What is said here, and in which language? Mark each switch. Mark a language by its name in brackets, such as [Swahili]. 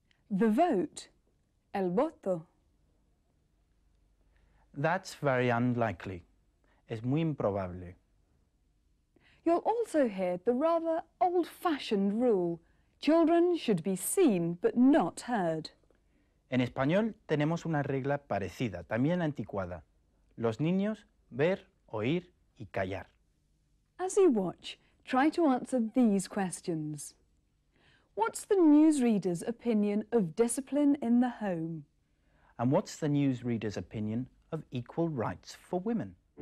[English] The vote, [Spanish] el voto. [English] That's very unlikely. [Spanish] Es muy improbable. [English] You'll also hear the rather old-fashioned rule, children should be seen but not heard. [Spanish] En español tenemos una regla parecida, también anticuada. Los niños, ver, oír y callar. [English] As you watch, try to answer these questions. What's the newsreader's opinion of discipline in the home? And what's the newsreader's opinion of equal rights for women?